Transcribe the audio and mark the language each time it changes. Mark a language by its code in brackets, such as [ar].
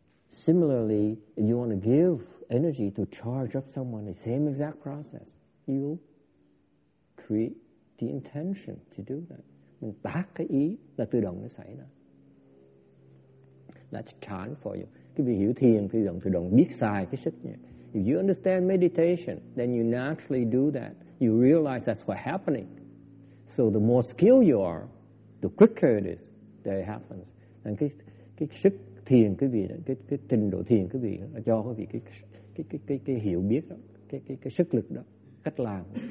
[en] Similarly, if you want to give energy to charge up someone, the same exact process. You create the intention to do that. [vi] Mình tác cái ý là tự động nó xảy ra. [en] That's chan for you. [vi] Cái vị hiểu thiền, tự động biết xài cái sức nhỉ. [en] If you understand meditation, then you naturally do that. You realize that's what's happening. So the more skilled you are, the quicker it is that it happens. [vi] Nên cái sức thiền quý vị, cái trình độ thiền quý vị nó cho quý vị cái hiểu biết đó, cái sức lực đó, cách làm.